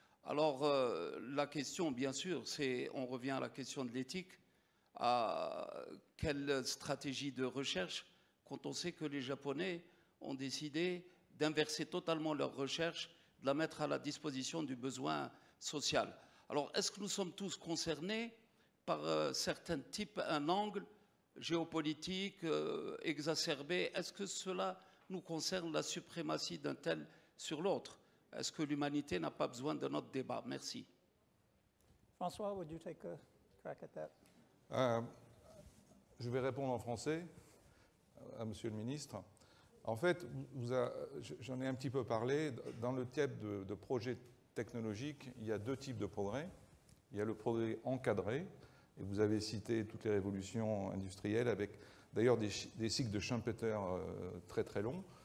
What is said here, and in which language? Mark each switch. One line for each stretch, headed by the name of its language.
French: Alors, la question, bien sûr, c'est, on revient à la question de l'éthique, à quelle stratégie de recherche, quand on sait que les Japonais ont décidé d'inverser totalement leur recherche, de la mettre à la disposition du besoin social. Alors, est-ce que nous sommes tous concernés par certains types, un angle géopolitique, exacerbé, est-ce que cela nous concerne la suprématie d'un tel sur l'autre? Est-ce que l'humanité n'a pas besoin de notre débat? Merci.
English: François, would you take a crack at that?
French: Je vais répondre en français à monsieur le ministre. En fait, j'en ai un petit peu parlé. Dans le type de projet technologique, il y a deux types de progrès. Il y a le progrès encadré. Et vous avez cité toutes les révolutions industrielles avec d'ailleurs des cycles de Schumpeter très très longs.